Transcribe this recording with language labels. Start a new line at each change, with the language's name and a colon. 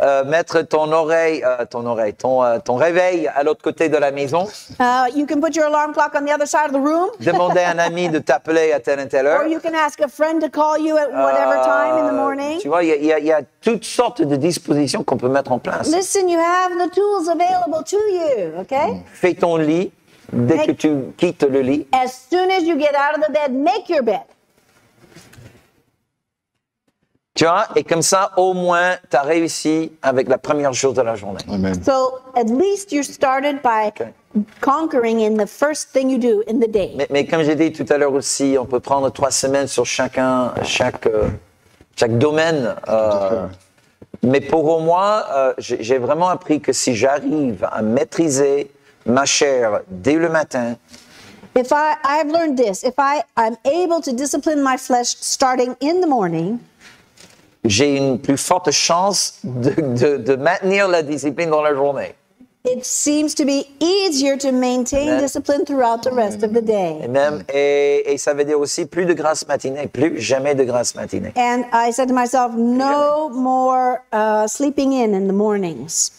French: Mettre ton réveil à l'autre côté de la maison.
English: You can put your alarm clock on the other side of the room.
French: Demander à un ami de t'appeler à telle et telle heure.
English: Or you can ask a friend to call you at whatever time in the morning.
French: Tu vois, il y a toutes sortes de dispositions qu'on peut mettre en place.
English: Listen, you have the tools available to you, okay?
French: Fais ton lit dès que tu quittes le lit.
English: As soon as you get out of the bed, make your bed.
French: Tu vois, et comme ça, au moins, tu as réussi avec la première chose de la journée. Amen.
English: So, at least you started by conquering in the first thing you do in the day.
French: Mais comme j'ai dit tout à l'heure aussi, on peut prendre 3 semaines sur chaque domaine. Mais pour moi, j'ai vraiment appris que si j'arrive à maîtriser ma chair dès le matin,
English: If I've learned this, if I'm able to discipline my flesh starting in the morning,
French: j'ai une plus forte chance de maintenir la discipline dans la journée.
English: It seems to be easier to maintain discipline throughout the rest of the day.
French: Et ça veut dire aussi plus de grâce matinée, plus jamais de grâce matinée.
English: And I said to myself, no more sleeping in the mornings.